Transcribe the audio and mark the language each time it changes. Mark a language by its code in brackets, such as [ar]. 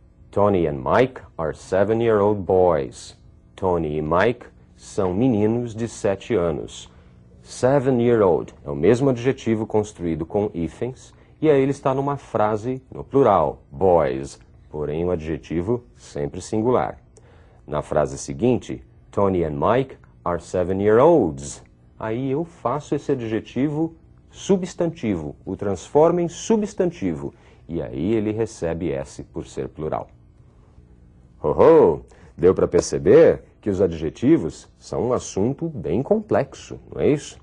[en] Tony and Mike are 7-year-old boys. [pt] Tony e Mike são meninos de 7 anos. 7-year-old é o mesmo adjetivo construído com hífens, e aí ele está numa frase no plural, boys, porém o adjetivo sempre singular. Na frase seguinte, [en] Tony and Mike are 7-year-olds. [pt] Aí eu faço esse adjetivo substantivo, o transformo em substantivo, e aí ele recebe S por ser plural. Oh, deu para perceber que os adjetivos são um assunto bem complexo, não é isso?